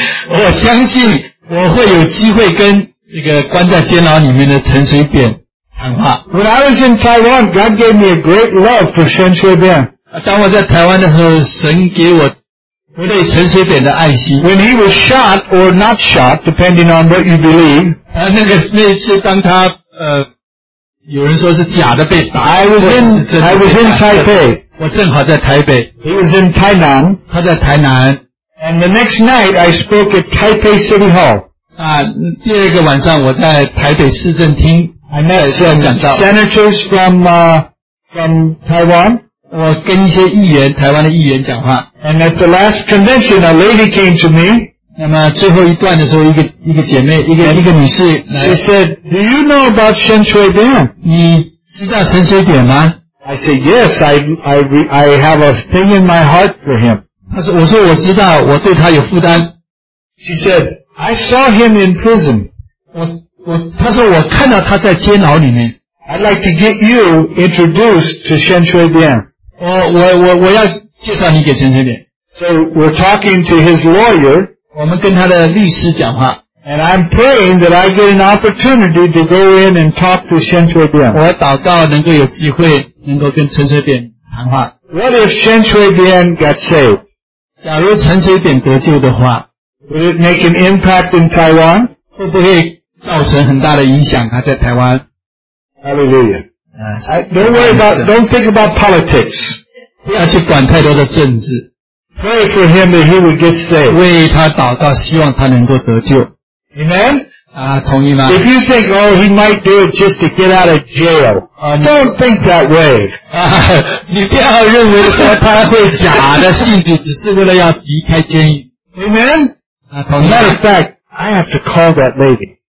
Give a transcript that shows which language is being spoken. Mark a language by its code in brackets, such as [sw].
[zh] 我相信我会有机会跟这个关在监牢里面的陈水扁谈话。 [en] When I was in Taiwan, God gave me a great love for Shen Chui Bian. [zh] 当我在台湾的时候，神给我对陈水扁的爱心。 [en] When he was shot or not shot, depending on what you believe. [zh] 那一次当他有人说是假的被打。 [en] I was in Taipei. [zh] 我正好在台北。 [en] He was in Tainan. [zh] 他在台南。 [en] And the next night, I spoke at Taipei City Hall. [zh] 第二个晚上我在台北市政厅讲到 [en] Senators from Taiwan. [zh] 我跟一些议员台湾的议员讲话。 [en] And at the last convention, a lady came to me. [zh] 那么最后一段的时候一个姐妹一个女士来。 [en] She said, Do you know about Shen Chui Bian? [zh] 你知道陈水扁吗? [en] I say, yes, I have a thing in my heart for him. [zh] 我知道我对他有负担。 [en] She said, I saw him in prison. [zh] 她说我看到他在监牢里面。 [en] I'd like to get you introduced to Shen Shui Bian. [zh] 我要介绍你给陈水扁。 [en] So we're talking to his lawyer. [zh] 我们跟他的律师讲话。 [en] And I'm praying that I get an opportunity to go in and talk to Shen Shui Bian. [zh] 我祷告能够有机会能够跟陈水扁谈话。 [en] What if Shen Shui Bian got saved? [zh] 假如陈水扁得救的话, [en] would it make an impact in Taiwan? [zh] 会不会造成很大的影响他在台湾? [en] Hallelujah. Don't think about politics. [zh] 不要去管太多的政治。 [en] Pray for him that he would get saved. [zh] 为他祷告, 希望他能够得救。 [en] Amen? [zh] 同意吗? [en] If you think, oh, he might do it just to get out of jail, don't think that way. [zh] 你不要认为说他会假的信主只是为了要离开监狱。 [en] Amen? [zh] 同意吗? [en] Matter of fact, I have to call that lady.